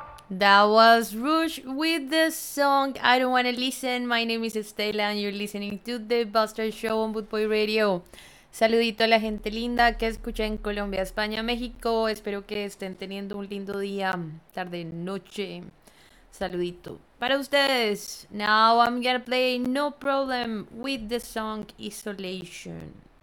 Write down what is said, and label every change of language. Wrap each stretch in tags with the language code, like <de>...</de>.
<en>That was Rouge with the song I Don't Wanna Listen. My name is Estela and you're listening to The Buster Show on Boot Boy Radio.</en> <es>Saludito a la gente linda que escucha en Colombia, España, México. Espero que estén teniendo un lindo día, tarde, noche. Saludito para ustedes.</es> <en>Now I'm gonna play No Problem with the song Isolation.</en>